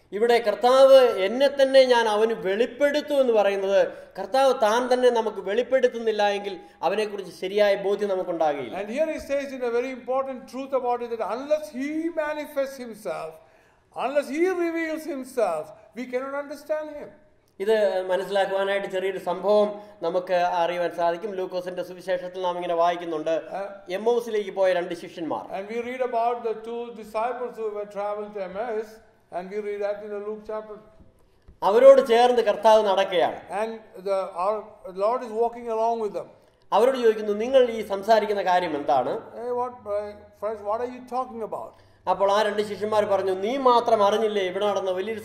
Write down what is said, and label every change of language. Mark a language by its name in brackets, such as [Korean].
[Malayalam] ഇവിടെ കർത്താവ് എന്നെ തന്നെ ഞാൻ അവന് വെളിപ്പെടുത്തു എന്ന് പറയുന്നത് കർത്താവ് താൻ തന്നെ നമുക്ക് വെളിപ്പെടുത്തുന്നില്ല എങ്കിൽ അവനെ കുറിച്ച് ശരിയായ ബോധ്യം നമുക്ക് ഉണ്ടാകില്ല. [English] And here he says in a very important truth about it, that unless he manifests himself, unless he reveals himself, we cannot understand him. [Malayalam] ഇത് മനസ്സിലാക്കുവാനായിട്ട് ചെറിയൊരു സംഭവം നമുക്ക് അറിയുവാൻ സാധിക്കും. ലൂക്കോസിന്റെ സുവിശേഷത്തിൽ നാം ഇങ്ങനെ വായിക്കുന്നുണ്ട്, എമ്മൗസിലേക്ക് പോയ രണ്ട് ശിഷ്യന്മാർ. [English] And we read about the two disciples who were traveled to Emmaus, and we read that in the Luke chapter. [Malayalam] അവരോട് ചേർന്ന് കർത്താവ് നടക്കുകയാണ്. [English] And our Lord is walking along with them. [Malayalam] അവരോട് ചോദിക്കുന്നു, നിങ്ങൾ ഈ സംസാരിക്കുന്ന കാര്യം എന്താണ്? [English] Hey, what are you talking about? [Malayalam] അപ്പോൾ ആ രണ്ട് ശിഷ്യന്മാർ പറഞ്ഞു, നീ മാത്രം അറിഞ്ഞില്ലേ ഇവിടെ നടന്ന വലിയൊരു